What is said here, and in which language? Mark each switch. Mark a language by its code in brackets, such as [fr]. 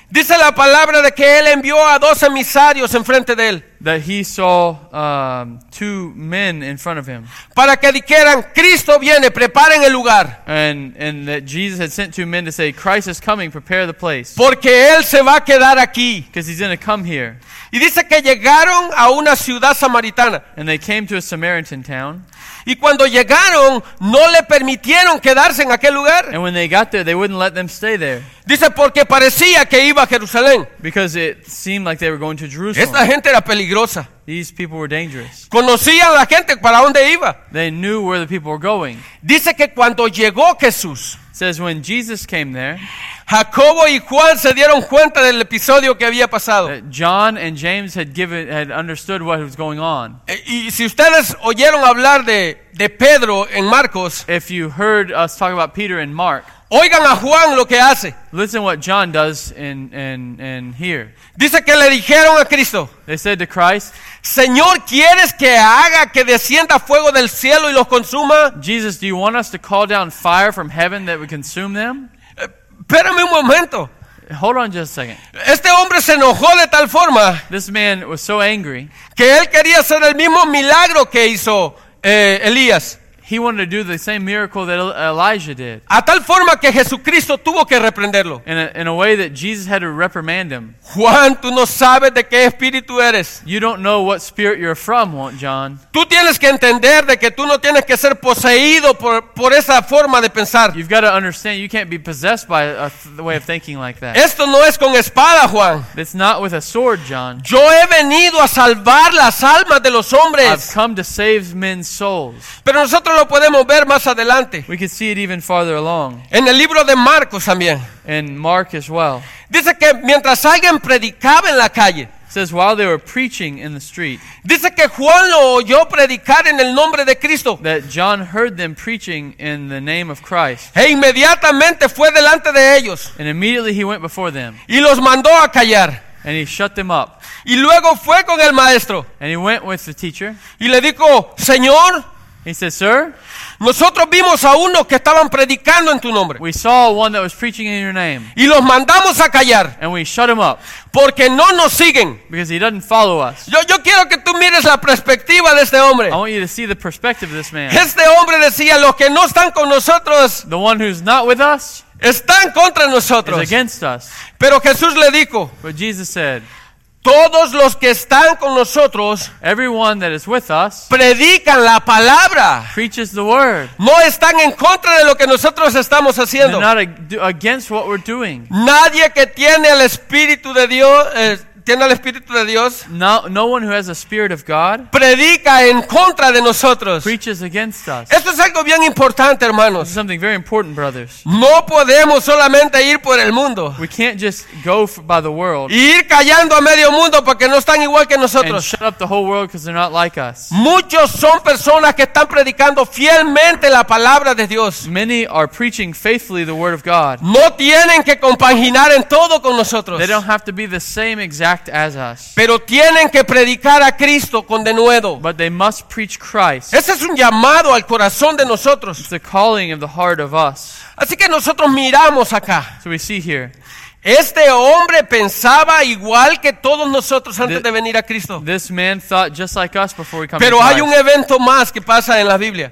[es] Dice la palabra de que él envió a dos emisarios en frente de él. [en] That he saw two men in front of him. [es] Para que dijeran, Cristo viene, preparen el lugar. [en] And that Jesus had sent two men to say, Christ is coming, prepare the place. [es] Porque él se va a quedar aquí. [en] Because he's going to come here. [es] Y dice que llegaron a una ciudad samaritana. [en] And they came to a Samaritan town. [es] Y cuando llegaron, no le permitieron quedarse en aquel lugar. [en] And when they got there, they wouldn't let them stay there. [es] Dice porque parecía que iba a Jerusalén. [en] Because it seemed like they were going to Jerusalem. [es] Esta gente era peligrosa. [en] These people were dangerous. [es] Conocían la gente para dónde iba. [en] They knew where the people were going. [es] Dice que cuando llegó Jesús, [en] says when Jesus came there, [es] Jacobo y Juan se dieron cuenta del episodio que había pasado. [en] John and James had understood what was going on. [es] Y si ustedes oyeron hablar de Pedro en Marcos, [en] if you heard us talk about Peter and Mark, [es] oigan a Juan lo que hace. [en] Listen what John does in here. [es] Dice que le dijeron a Cristo. [en] They said to Christ, [es] Señor, ¿quieres que haga que descienda fuego del cielo y los consuma? [en] Jesus, do you want us to call down fire from heaven that would consume them? [es] Espérame un momento. [en] Hold on just a second. [es] Este hombre se enojó de tal forma. [en] This man was so angry. [es] Que él quería hacer el mismo milagro que hizo Elías. [en] He wanted to do the same miracle that Elijah did. [es] A tal forma que Jesucristo tuvo que reprenderlo. [en] In a way that Jesus had to reprimand him. [es] Juan, tú no sabes de qué espíritu eres. [en] You don't know what spirit you're from, John. [es] Tú tienes que entender de que tú no tienes que ser poseído por esa forma de pensar. [en] You've got to understand you can't be possessed by a way of thinking like that. [es] Esto no es con espada, Juan. [en] It's not with a sword, John. [es] Yo he venido a salvar las almas de los hombres. [en] I've come to save men's souls. [es] Pero nosotros lo podemos ver más adelante. [en] We can see it even farther along. [es] En el libro de Marcos también. [en] In Mark as well. [es] Dice que mientras alguien predicaba en la calle. [en] It says while they were preaching in the street. [es] Dice que Juan lo oyó predicar en el nombre de Cristo. [en] That John heard them preaching in the name of Christ. [es] E inmediatamente fue delante de ellos. [en] And immediately he went before them. [es] Y los mandó a callar. [en] And he shut them up. [es] Y luego fue con el maestro. [en] And he went with the teacher. [es] Y le dijo, Señor. [en] He says, sir, [es] nosotros vimos a unos que estaban predicando en tu nombre. [en] We saw one that was preaching in your name. [es] Y los mandamos a callar. [en] And we shut him up. [es] Porque no nos siguen. [en] Because he doesn't follow us. [es] Yo quiero que tú mires la perspectiva de este hombre. [en] I want you to see the perspective of this man. [es] Este hombre decía, los que no están con nosotros, [en] the one who's not with us, [es] están contra nosotros. [en] Is against us. [es] Pero Jesús le dijo, [en] but Jesus said, [es] todos los que están con nosotros, [en] everyone that is with us, [es] predican la palabra, [en] preaches the word. [es] No están en contra de lo que nosotros estamos haciendo. [en] They're not against what we're doing. [es] Nadie que tiene el Espíritu de Dios, tiene el Espíritu de Dios, [en] no one who has the Spirit of God, [es] predica en contra de nosotros, [en] preaches against us. [es] Esto es algo bien importante, hermanos. [en] It's something very important, brothers. [es] No podemos solamente ir por el mundo. [en] We can't just go by the world. [es] Y ir callando a medio mundo porque no están igual que nosotros. [en] And shut up the whole world because they're not like us. [es] Muchos son personas que están predicando fielmente la palabra de Dios. [en] Many are preaching faithfully the word of God. [es] No tienen que compaginar en todo con nosotros. [en] They don't have to be the same exact. As us. [es] Pero tienen que predicar a Cristo con denuedo. [en] But they must preach Christ. [es] Ese es un llamado al corazón de nosotros. [en] It's the calling of the heart of us. [es] Así que nosotros miramos acá. [en] So we see here. [es] Este hombre pensaba igual que todos nosotros antes de venir a Cristo. [en] This man thought just like us before we come. [es] Pero [en] to [es] hay un evento más que pasa en la Biblia.